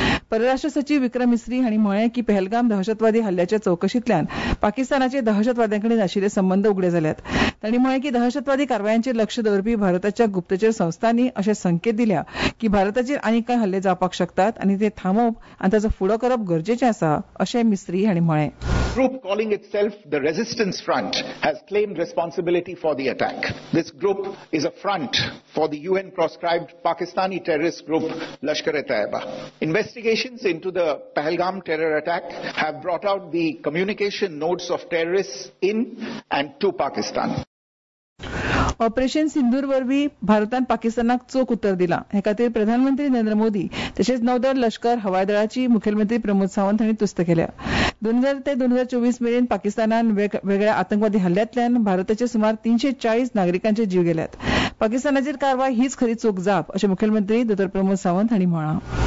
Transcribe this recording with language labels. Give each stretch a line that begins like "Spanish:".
Goan Konkani: परराष्ट्र सचिव विक्रम मिस्री हांणी म्हळें की पहलगाम दहशतवादी हल्ल्याच्या चौकशीतल्यान पाकिस्तानाचे दहशतवाद्यां कडेन आशिल्ले संबंद उगडे जाल्यात. तांणी म्हळें की दहशतवादी कारवायांचेर लक्ष दवरपी भारताच्या गुप्तचर संस्थांनी अशे संकेत दिल्या की भारताचेर आनी कांय हल्ले जावपाक शकतात आनी ते थांबोवप आनी ताचो फुडो करप गरजेचे आसा अशें मिस्री हांणी म्हळें.
English: Group calling itself the resistance front has claimed responsibility for the attack. This group is a front for the UN proscribed Pakistani terrorist group Lashkar-e-Taiba. Investigations into the Pahalgam terror attack have brought out the communication notes of terrorists in and to Pakistan.
Goan Konkani: Operation सिंदूर वरवी भारतान पाकिस्तानाक चोख उत्तर दिला. हे खातीर प्रधानमंत्री नरेंद्र मोदी तशेंच नौदळ लष्कर हवाई दळाची मुखेलमंत्री प्रमोद सावंत हांणी तुस्त केल्या. 2000 ते 2024 मेरेन पाकिस्तानान वेगवेगळ्या आतंकवादी हल्ल्यांतल्यान भारताचे सुमार 340 नागरिकांचे जीव गेल्यात. पाकिस्तानाचेर कारवाय हीच खरी चूक जाप अशें मुखेलमंत्री दोतर प्रमोद सावंत हांणी म्हळां.